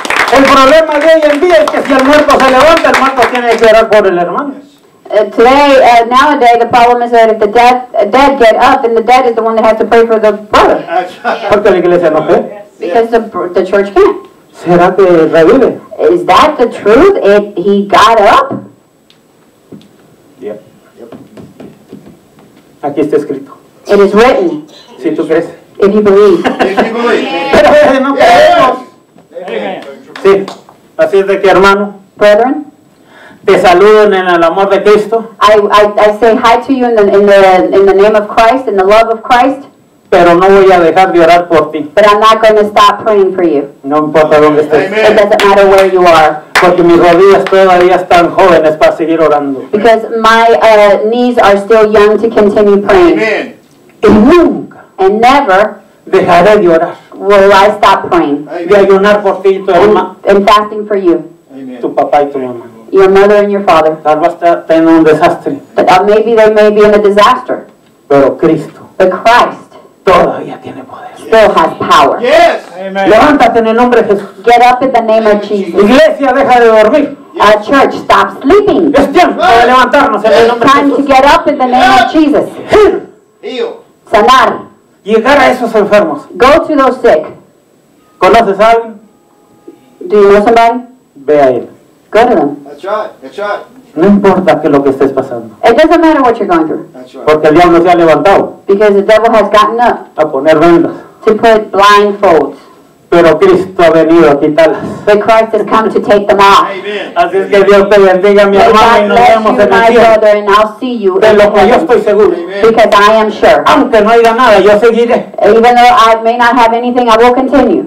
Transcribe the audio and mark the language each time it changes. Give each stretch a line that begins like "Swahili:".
Spanish: El problema de hoy en día es que si el muerto se levanta, el muerto tiene que orar por el hermano.
English: Nowadays, the problem is that if the dead get up, then the dead is the one that has to pray for the brother.
Spanish: Porque la iglesia no cree.
English: Because the church can't.
Spanish: ¿Será que revive?
English: Is that the truth? If he got up? Yep.
Spanish: Aquí está escrito.
English: It is written.
Spanish: Si tú crees.
English: If you believe. If you believe.
Spanish: Pero no creemos. Sí, así es de que hermano.
English: Brethren,
Spanish: te saludo en el amor de Cristo.
English: I say hi to you in the name of Christ, in the love of Christ.
Spanish: Pero no voy a dejar de orar por ti.
English: But I'm not going to stop praying for you.
Spanish: No importa dónde estés.
English: Amen. It doesn't matter where you are.
Spanish: Porque mis rodillas todavía están jóvenes para seguir orando.
English: Because my knees are still young to continue praying.
Spanish: Amen. Y nunca.
English: And never.
Spanish: Dejaré de orar.
English: Will I stop praying?
Spanish: De ayunar por ti y tu mamá.
English: And fasting for you. Amen.
Spanish: Tu papá y tu mamá.
English: Your mother and your father.
Spanish: Tal vez estén en un desastre.
English: But maybe they may be in a disaster.
Spanish: Pero Cristo.
English: But Christ.
Spanish: Todavía tiene poder.
English: Still yes. Has power. Yes. Amen.
Spanish: Levántate en el nombre de Jesús.
English: Get up in the name of Jesus.
Spanish: Iglesia, deja de dormir.
English: A church, stop sleeping.
Spanish: Es tiempo de levantarnos en el nombre de Jesús.
English: Time to get up in the name of Jesus. Heal.
Spanish: Sanar. Llegar a esos enfermos.
English: Go to those sick.
Spanish: ¿Conoces a alguien?
English: Do you know somebody?
Spanish: Ve a él.
English: Go to them. That's right.
Spanish: No importa que lo que estés pasando.
English: It doesn't matter what you're going through. That's right.
Spanish: Porque el diablo se ha levantado.
English: Because the devil has gotten up.
Spanish: A poner vendas.
English: To put blindfolds.
Spanish: Pero Cristo ha venido a quitarlas.
English: But Christ has come to take them off. Amen.
Spanish: Así es que Dios te bendiga, mi hermano, y nos vemos
English: you,
Spanish: en el cielo. De lo que yo estoy seguro. Amen.
English: Because I am sure.
Spanish: Aunque no haya nada, yo seguiré.
English: Even though I may not have anything, I will continue.